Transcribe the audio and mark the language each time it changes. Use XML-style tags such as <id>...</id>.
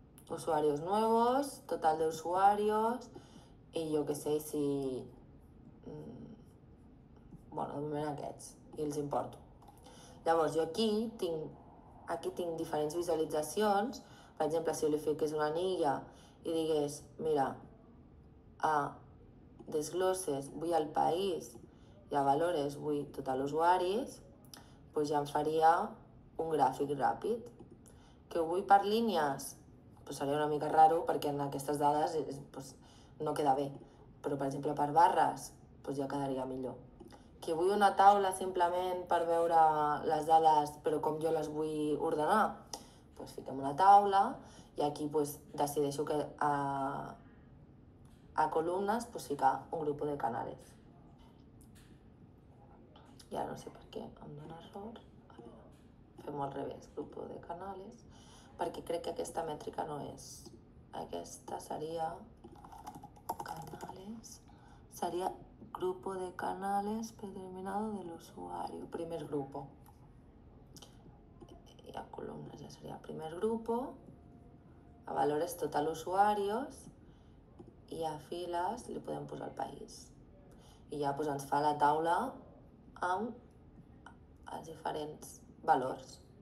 <es>Usuarios nuevos, total de usuarios y yo que sé si...</es> <ca>Bueno, de moment aquests i els importo. Llavors, jo aquí tinc diferents visualitzacions. Per exemple, si li fiqués una anilla i digués, mira, a desgloses vull el país i a valores vull total usuaris, doncs ja em faria un gràfic ràpid. Que ho vull per línies, pues seria una mica raro perquè en aquestes dades pues, no queda bé. Però, per exemple, per barres pues, ja quedaria millor. Que vull una taula simplement per veure les dades, però com jo les vull ordenar, pues, fiquem una taula i aquí pues, decideixo que a columnes pues, ficar un grup de canales. I ara no sé per què em dóna error. Fem al revés, grup de canales. Perquè crec que aquesta mètrica no és. Aquesta seria canales.</ca> <es>Seria grupo de canales predeterminado del usuario. Primer grupo.</es> <ca>I a columnes ja seria primer grupo. A valores total usuarios. I a files li podem posar el país. I ja doncs, ens fa la taula amb els diferents valors.</ca>